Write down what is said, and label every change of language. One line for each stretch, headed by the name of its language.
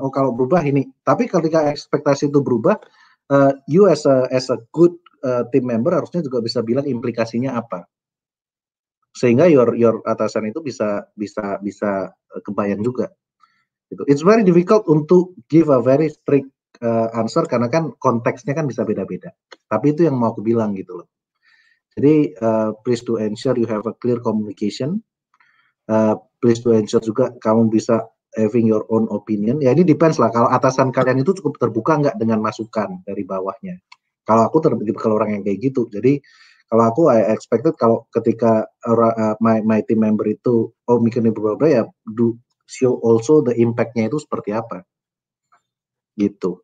Indonesian: Oh kalau berubah ini, tapi ketika ekspektasi itu berubah,
English: you as a good team member
Indonesian: harusnya juga bisa bilang implikasinya apa. Sehingga your atasan itu bisa kebayang juga.
English: It's very difficult untuk give a very strict answer
Indonesian: karena kan konteksnya kan bisa beda-beda. Tapi itu yang mau aku bilang gitu loh.
English: Jadi please to ensure you have a clear communication. Please to ensure juga kamu bisa having your own opinion. Ya ini depends lah.
Indonesian: Kalau atasan kalian itu cukup terbuka nggak dengan masukan dari bawahnya. Kalau aku terbuka kalau orang yang kayak gitu. Jadi kalau aku I expected kalau ketika my team member itu oh mikirnya berubah-ubah ya
English: do show also the impact-
Indonesian: nya itu seperti apa. Gitu.